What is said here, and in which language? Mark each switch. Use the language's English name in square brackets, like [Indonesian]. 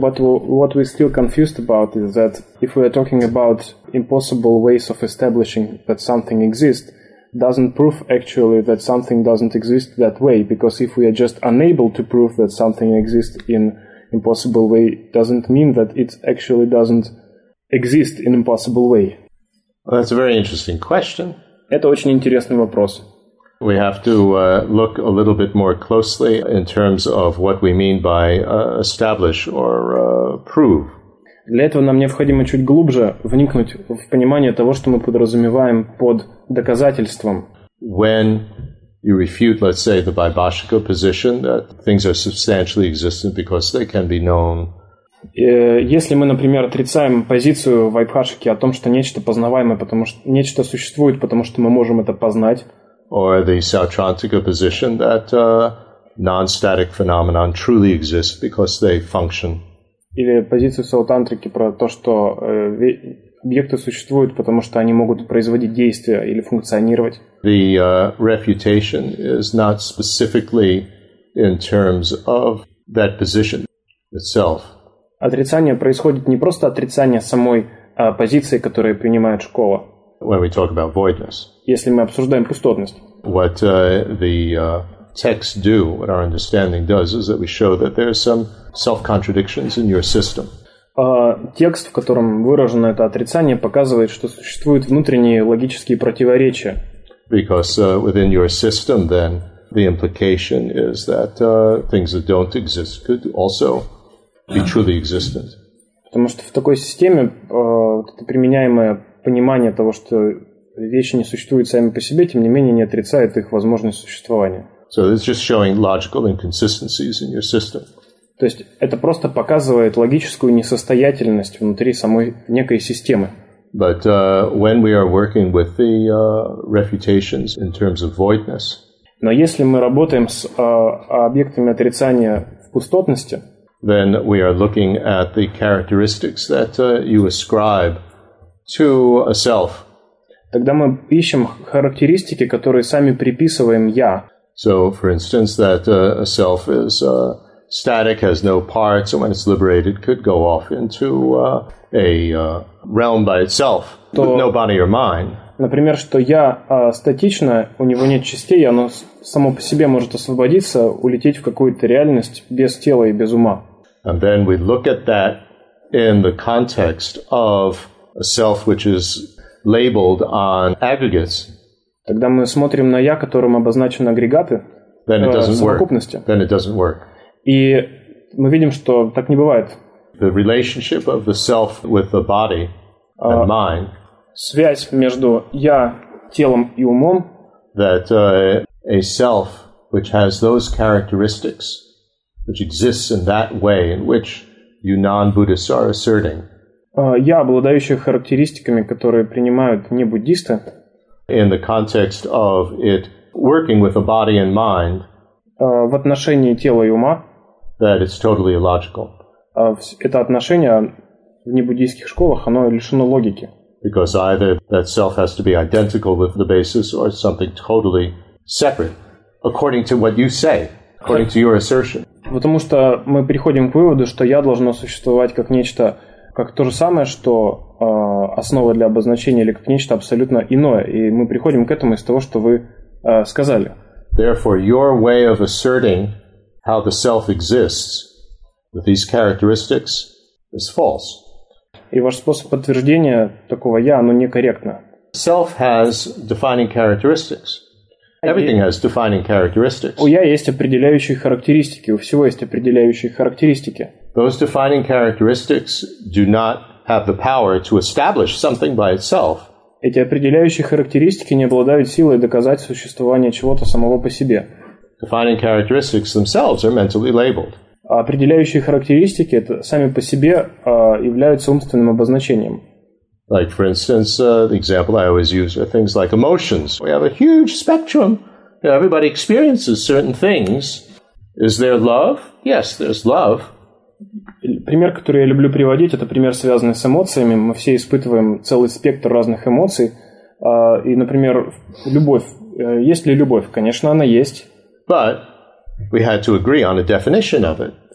[English] But what we're still confused about is that if we are talking about impossible ways of establishing that something exists, doesn't prove actually that something doesn't exist that way, because if we are just unable to prove that something exists in impossible way, doesn't mean that it actually doesn't exist in impossible way. Well, that's a very interesting question. [Russian] Это очень интересный вопрос. [English] We have to look a little bit more closely in terms of what we mean by establish or prove. [Russian] Для этого нам необходимо чуть глубже вникнуть в понимание того, что мы подразумеваем под доказательством. [English] When you refute, let's say, the Vaibhashika position that things are substantially existent because they can be known. [Russian] Если мы, например, отрицаем позицию Вайбхашики о том, что нечто познаваемо, потому что нечто существует, потому что мы можем это познать. [English] Or the Sautrantika position that non-static phenomena truly exist because they function. [Russian] Или позицию Саутантрики про то, что объекты существуют, потому что они могут производить действия или функционировать. [English] The refutation is not specifically in terms of that position itself. [Russian] Отрицание происходит не просто отрицание самой позиции, которую принимает школа. [English] When we talk about voidness. [Russian] Если мы обсуждаем пустотность. [English] What texts do, what our understanding does, is that we show that there are some self-contradictions in your system. [Russian] Текст, в котором выражено это отрицание, показывает, что существуют внутренние логические противоречия. [English] Because within your system, then, the implication is that things that don't exist could also be truly existent. [Russian] Потому что в такой системе это применяемое понимание того, что вещи не существуют сами по себе, тем не менее не отрицает их возможность существования. [English] So it's just showing logical inconsistencies in your system. [Russian] То есть это просто показывает логическую несостоятельность внутри самой некой системы. [English] But when we are working with the refutations in terms of voidness. [Russian] Но если мы работаем с объектами отрицания в пустотности, [English] then we are looking at the characteristics that you ascribe to a self. [Russian] Тогда мы ищем характеристики, которые сами приписываем я. [English] So, for instance, that a self is static, has no parts, and when it's liberated, could go off into realm by itself, [Russian] то, [English] with no body or mind. [Russian] Например, что я статично, у него нет частей, оно само по себе может освободиться, улететь в какую-то реальность без тела и без ума. [English] And then we look at that in the context of a self which is labeled on aggregates. [Russian] Тогда мы смотрим на я, которым обозначены агрегаты, [English] then it doesn't [Russian] в совокупности. [English] Work. Then it doesn't work. [Russian] И мы видим, что так не бывает. [English] The relationship of the self with the body and mind. [Russian] Связь между я, телом и умом. [English] That a self which has those characteristics, which exists in that way in which you non-Buddhists are asserting. [Russian] Я, обладающий характеристиками, которые принимают небуддисты. [English] In the context of it working with a body and mind. [Russian] В отношении тела и ума. [English] That it's totally illogical. [Russian] Это отношение в небуддийских школах, оно лишено логики. [English] Because either that self has to be identical with the basis or something totally separate, according to what you say, according to your assertion. [Russian] Потому что мы приходим к выводу, что я должно существовать как нечто, как то же самое, что основа для обозначения, или как нечто абсолютно иное. И мы приходим к этому из того, что вы сказали. [English] Therefore, your way of asserting how the self exists with these characteristics is false. [Russian] И ваш способ подтверждения такого «я», оно некорректно. [English] Self has defining characteristics. Everything has defining characteristics. [Russian] У «я» есть определяющие характеристики. У всего есть определяющие характеристики. [English] Those defining characteristics do not have the power to establish something by itself. [Russian] Эти определяющие характеристики не обладают силой доказать существование чего-то самого по себе. [English] Defining characteristics themselves are mentally labeled. [Russian] Определяющие характеристики это сами по себе являются умственным обозначением. [English] Like, for instance, the example I always use are things like emotions. We have a huge spectrum. Everybody experiences certain things. Is there love? Yes, there's love. [Russian] Пример, который я люблю приводить, это пример, связанный с эмоциями. Мы все испытываем целый спектр разных эмоций. И, например, любовь. Есть ли любовь? Конечно, она есть. [English] But we had to agree on a definition of it.